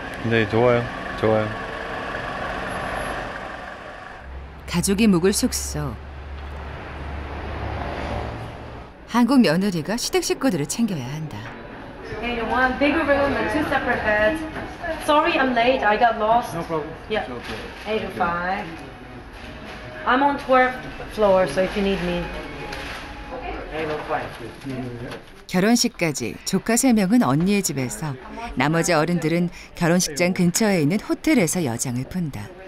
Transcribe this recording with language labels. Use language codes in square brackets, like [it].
[ko] 네, 좋아요. 좋아요. 가족이 묵을 숙소. 한국 며느리가 시댁 식구들을 챙겨야 한다. [en] Hey, one bigger room and two separate beds. Sorry, I'm late. I got lost. No problem. Yeah. Okay. 8 to 5. I'm on 12th floor, so if you need me. Hey, no problem. [ko] 결혼식까지 조카 3명은 언니의 집에서, 나머지 어른들은 결혼식장 근처에 있는 호텔에서 여장을 푼다.